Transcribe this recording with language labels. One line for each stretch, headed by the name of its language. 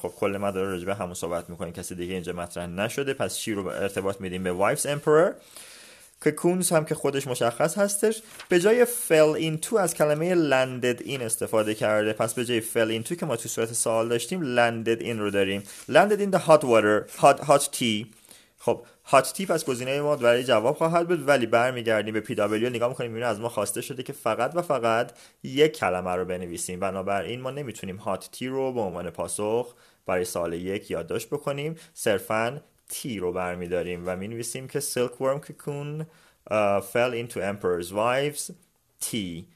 Persian: خب کل ما داره رجبه همون صحبت میکنیم، کسی دیگه اینجا مطرح نشده، پس she رو ارتباط میدیم به wife's emperor. cocoons هم که خودش مشخص هستش، به جای fell into از کلمه landed in استفاده کرده، پس به جای fell into که ما تو صورت سوال داشتیم landed in رو داریم.
English: landed in the hot water hot tea.
Persian: خب hot tea پس گزینه ما برای جواب خواهد بود، ولی برمیگردیم به PW نگاه میکنیم میبینیم از ما خواسته شده که فقط و فقط یک کلمه رو بنویسیم، بنابراین ما نمیتونیم hot tea رو به عنوان پاسخ برای سوال یک یادداشت بکنیم، صرفاً تی رو برمیداریم و می نویسیم که
English: silkworm cocoon fell into emperor's wife's tea.